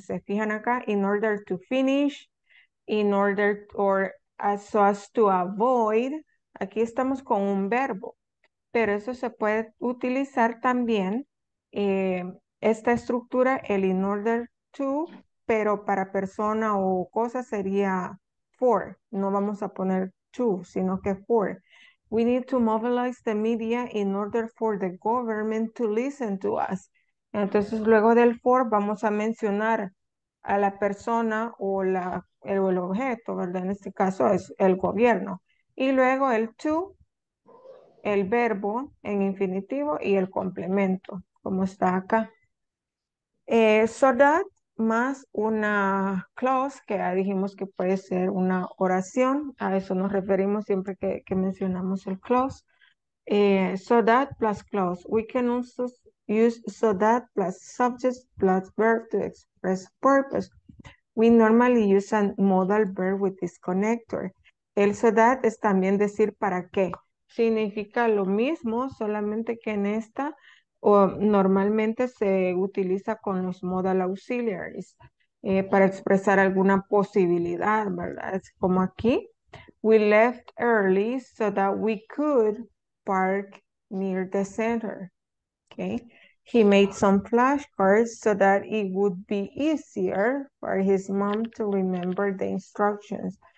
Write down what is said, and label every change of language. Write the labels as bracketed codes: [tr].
[es] Se fijan acá, [en] in order to finish, in order or as so as to avoid. [es] Aquí estamos con un verbo, pero eso se puede utilizar también, esta estructura, el in order to, pero para persona o cosa sería for. No vamos a poner to, sino que for. [en] We need to mobilize the media in order for the government to listen to us. [es] Entonces, luego del for, vamos a mencionar a la persona o el objeto, ¿verdad? En este caso es el gobierno. Y luego el to, el verbo en infinitivo y el complemento, como está acá. So that, más una clause, que ya dijimos que puede ser una oración. A eso nos referimos siempre que mencionamos el clause. [en] So that plus clause. We can also use so that plus subject plus verb to express purpose. We normally use a modal verb with this connector. [es] El so that es también decir para qué. Significa lo mismo, solamente que en esta normalmente se utiliza con los modal auxiliaries para expresar alguna posibilidad, ¿verdad? Es como aquí. [en] We left early so that we could park near the center. Okay. He made some flashcards so that it would be easier for his mom to remember the instructions.